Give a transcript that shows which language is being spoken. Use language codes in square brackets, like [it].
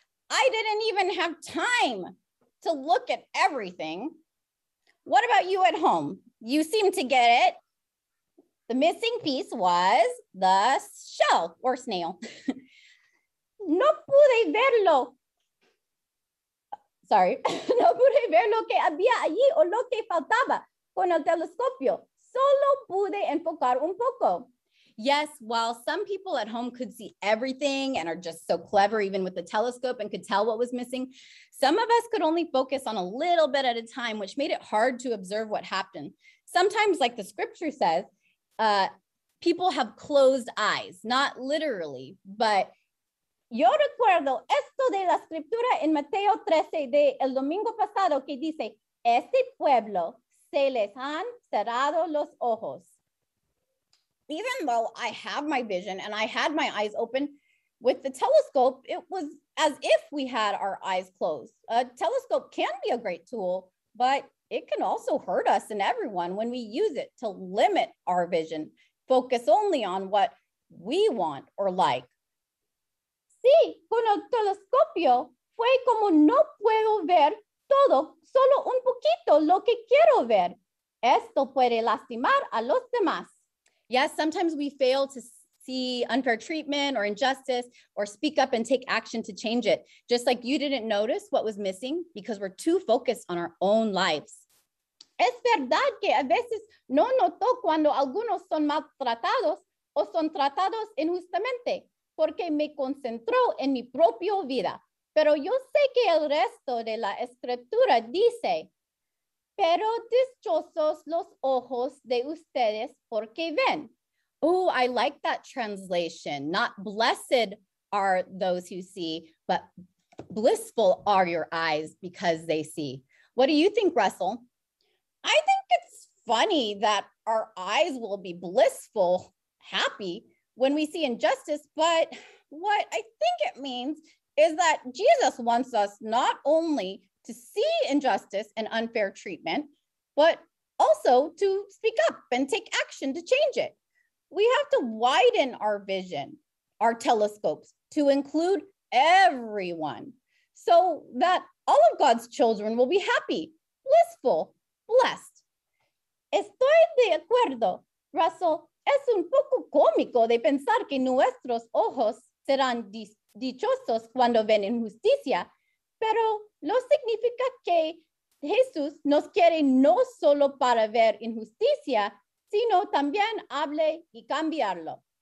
[en] I didn't even have time to look at everything. What about you at home? You seem to get it. The missing piece was the shell or snail. [es] No pude verlo. [en] Sorry. [es] No pude ver lo que había allí o lo que faltaba con el telescopio. Solo pude enfocar un poco. [en] Yes, while some people at home could see everything and are just so clever even with the telescope and could tell what was missing, some of us could only focus on a little bit at a time, which made it hard to observe what happened. Sometimes, like the scripture says, people have closed eyes, not literally, but [es] yo recuerdo esto de la escritura en Mateo 13 de el domingo pasado que dice, este pueblo se les han cerrado los ojos. [en] Even though I have my vision and I had my eyes open with the telescope, it was as if we had our eyes closed. A telescope can be a great tool, but it can also hurt us and everyone when we use it to limit our vision, focus only on what we want or like. [es] Sí, con el telescopio fue como no puedo ver todo, solo un poquito lo que quiero ver. Esto puede lastimar a los demás. [en] Yes, sometimes we fail to see unfair treatment or injustice or speak up and take action to change it. Just like you didn't notice what was missing because we're too focused on our own lives. [es] Es verdad que a veces no noto cuando algunos son maltratados o son tratados injustamente porque me concentro en mi propia vida. Pero yo sé que el resto de la escritura dice, pero dichosos los ojos de ustedes porque ven. [en] Oh, I like that translation. Not blessed are those who see, but blissful are your eyes because they see. What do you think, Russell? I think it's funny that our eyes will be blissful, happy, when we see injustice. But what I think it means is that Jesus wants us not only to see injustice and unfair treatment, but also to speak up and take action to change it. We have to widen our vision, our telescopes, to include everyone so that all of God's children will be happy, blissful, blessed. [es] Estoy de acuerdo, Russell. Es un poco cómico de pensar que nuestros ojos serán dichosos cuando ven injusticia, pero no significa que Jesús nos quiere no solo para ver injusticia, sino también hable y cambiarlo.